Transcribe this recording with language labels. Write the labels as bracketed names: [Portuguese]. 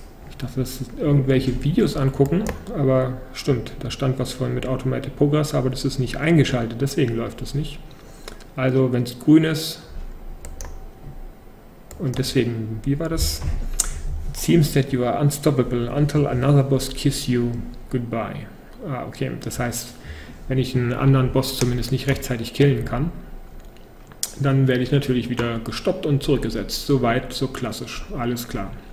[German] Ich dachte, das sind irgendwelche Videos angucken, aber stimmt, da stand was von mit Automatic Progress, aber das ist nicht eingeschaltet, deswegen läuft es nicht. Also, wenn es grün ist, und deswegen, wie war das? [English] It seems that you are unstoppable until another boss kiss you goodbye. [German] Ah, okay, das heißt, wenn ich einen anderen Boss zumindest nicht rechtzeitig killen kann, dann werde ich natürlich wieder gestoppt und zurückgesetzt. Soweit, so klassisch, alles klar.